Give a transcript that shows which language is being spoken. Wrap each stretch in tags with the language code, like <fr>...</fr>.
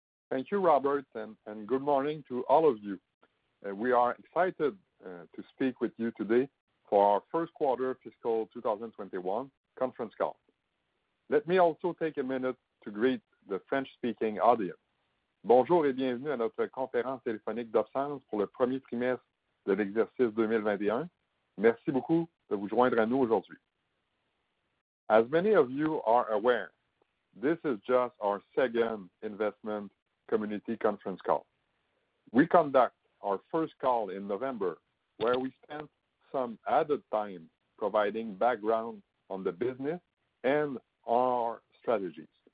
<en>Thank you, Robert, and good morning to all of you. We are excited to speak with you today for our first quarter fiscal 2021 conference call. Let me also take a minute to greet the French-speaking audience.</en> <fr>Bonjour et bienvenue à notre conférence téléphonique d'OpSens pour le premier trimestre de l'exercice 2021. Merci beaucoup de vous joindre à nous aujourd'hui.</fr> <en>As many of you are aware, this is just our second investment community conference call. We conduct our first call in November, where we spent some added time providing background on the business and our strategies.</en>